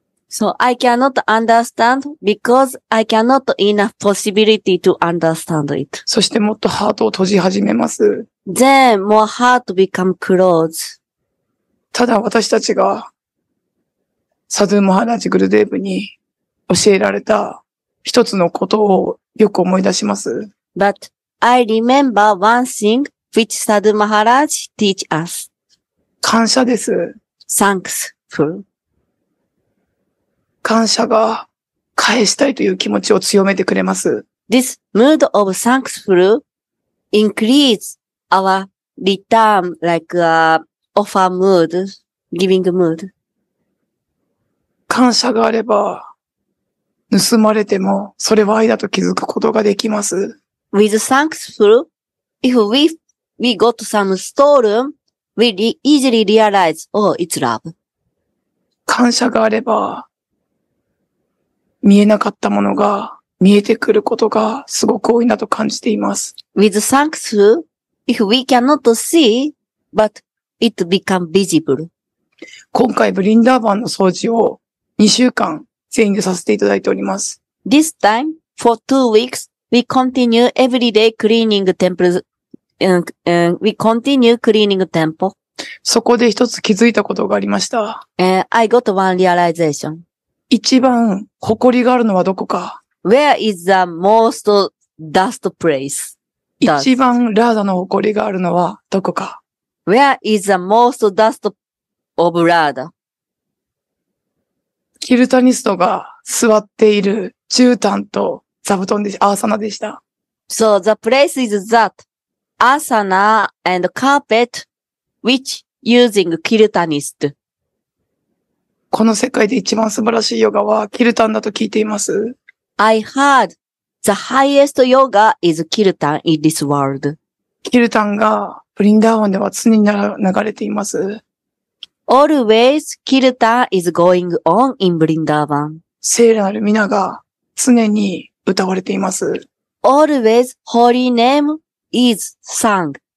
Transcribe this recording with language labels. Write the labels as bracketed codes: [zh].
[en] So I cannot understand because I cannot enough possibility to understand it. [ja] そしてもっとハートを閉じ始めます。 [en] Then more heart become closed. [ja] ただ私たちがサドゥ・マハラジ・グルデーブに教えられた一つのことをよく思い出します。 [en] But I remember one thing which Sadhu Maharaj teach us. [ja] 感謝です。 [en] Thanksful. [ja] 感謝が返したいという気持ちを強めてくれます。 [en] This mood of thanksful increase our return like a offer mood, giving mood. [ja] 感謝があれば盗まれてもそれは愛だと気づくことができます。 [en] With thanksful, if we got some stolen, we easily realize, oh, it's love. [ja] 感謝があれば、見えなかったものが見えてくることがすごく多いなと感じています。 [en] With thanksful, if we cannot see, but it become visible. [ja] 今回、ブリンダーバンの掃除を2週間全員でさせていただいております。 [en] This time, for 2 weeks,We continue every day cleaning temples, we continue cleaning temple. [ja] そこで一つ気づいたことがありました。 [en] I got one realization. [ja] 一番誇りがあるのはどこか。 [en] Where is the most dust place? [ja] 一番ラーダの誇りがあるのはどこか。 [en] Where is the most dust of ラーダ? [ja] キルタニストが座っている絨毯と座布団でアーサナでした。 [en] So the place is that asana and carpet which using kirtanist. [ja] この世界で一番素晴らしいヨガはキルタンだと聞いています。 [en] I heard the highest yoga is kirtan in this world. [ja] キルタンがブリンダーバンでは常に流れています。 [en] Always kirtan is going on in Vrindavan. [ja] 聖なる皆が常に歌われています。 [en] Always holy name is sung.